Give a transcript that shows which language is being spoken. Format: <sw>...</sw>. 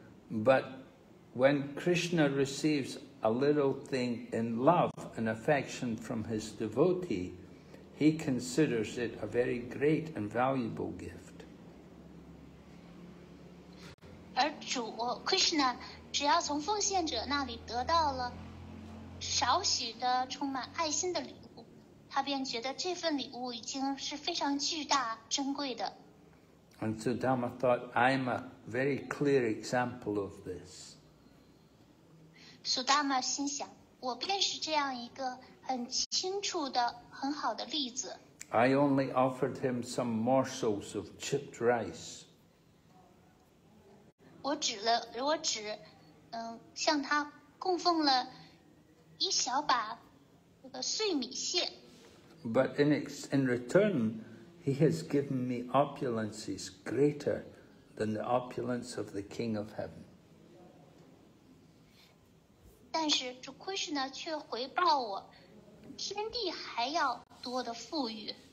<en>But when Krishna receives a little thing in love and affection from his devotee, he considers it a very great and valuable gift.</en> <zh>而主, Krishna, 只要从奉献者那里得到了少许的充满爱心的礼物，他便觉得这份礼物已经是非常巨大珍贵的。</zh> <en>And Sudama thought, I'm a very clear example of this.</en> <zh>Sudama 心想, 我便是这样一个很清楚的很好的例子。</zh> <en>I only offered him some morsels of chipped rice.</en> <zh>我只 向他供奉了一小把碎米线。</zh> <en>But in return, he has given me opulences greater than the opulence of the King of Heaven.</en> <zh>但是主Krishna却回报我天地还要多的富裕。</zh>